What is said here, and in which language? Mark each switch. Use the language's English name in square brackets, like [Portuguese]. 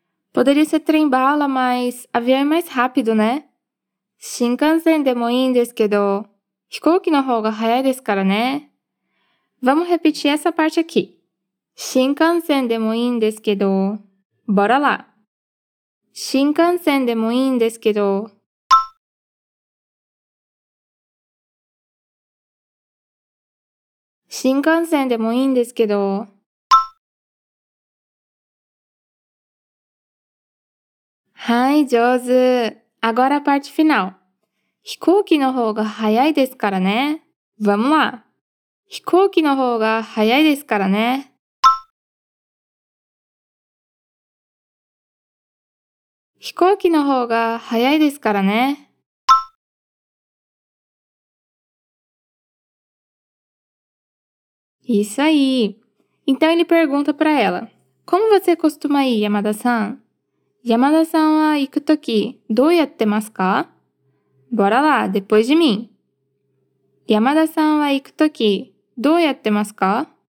[Portuguese] Poderia ser trem-bala, mas avião é mais rápido, né? [Japanese] Shinkansen demo indesu kedo. 飛行機の方が早いですからね。 [Portuguese] Vamos repetir essa parte aqui. [Japanese] 新幹線でもいいんですけど、 [Portuguese] Bora lá. [Japanese] 新幹線でもいいんですけど、新幹線でもいいんですけど、はい、上手。 [Portuguese] Agora a parte final. [Japanese] 飛行機の方が早いですからね。 [Portuguese] Vamos lá. [Japanese] 飛行機の方が早いですからね。飛行機の方が早いですからね。 [Portuguese] Isso aí. Então ele pergunta pra ela. Como você costuma ir, Yamada-san? [Japanese] Yamada-san は行くとき、どうやってますか? [Portuguese] Bora lá, depois de mim. [Japanese] Yamada-san は行くとき、どうやってますか?